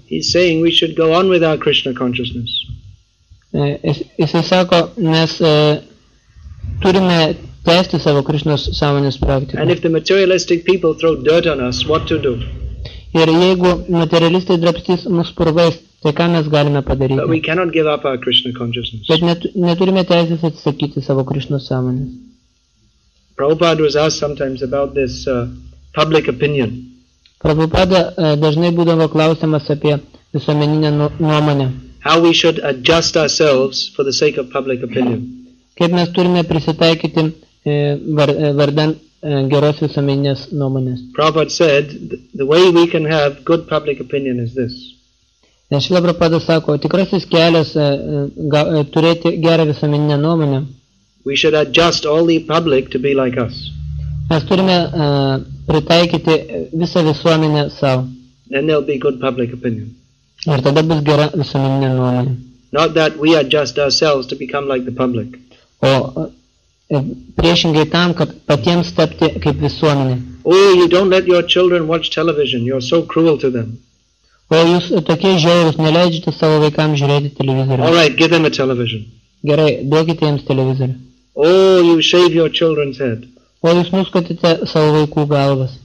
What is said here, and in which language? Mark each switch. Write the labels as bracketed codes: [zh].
[en] He's saying we should go on with our Krishna consciousness. [lt] Jis sako, mes turime tęsti savo Krishnos sąmonės praktiką. [en] And if the materialistic people throw dirt on us, what to do? [lt] Ir jeigu materialistai drabstys mus purvais, tai ką mes galime padaryti? [en] But we cannot give up our Krishna consciousness. [lt] Bet neturime teisės atsisakyti savo Krishnos sąmonės. [en] Prabhupada was asked sometimes about this public opinion. [lt] Prabhupada dažnai būdavo klausimas apie visuomeninę nuomonę. [en] How we should adjust ourselves for the sake of public opinion. [lt] Kaip mes turime prisitaikyti vardan geros visuomeninės nuomonės. [en] Prabhupada said, the way we can have good public opinion is this. [lt] Nes Šrila Prabhupada sako, tikrasis kelias turėti gerą visuomeninę nuomonę. [en] We should adjust all the public to be like us. [lt] Mes turime pritaikyti visą visuomenę savo. [en] Then there'll be good public opinion. [lt] Ir tada bus gera visuomeninė nuomonė. [en] Not that we adjust ourselves to become like the public. [lt] O priešingai tam, kad patiems tapti kaip visuomenė. [en] Oh, you don't let your children watch television. You're so cruel to them. [lt] O jūs tokie žiaurūs, neleidžiate savo vaikams žiūrėti televizorių. [en] All right, give them a television. [lt] Gerai, duokite jiems televizorių. [en] Oh, you shave your children's head. [lt] O jūs nuskutite savo vaikų galvas.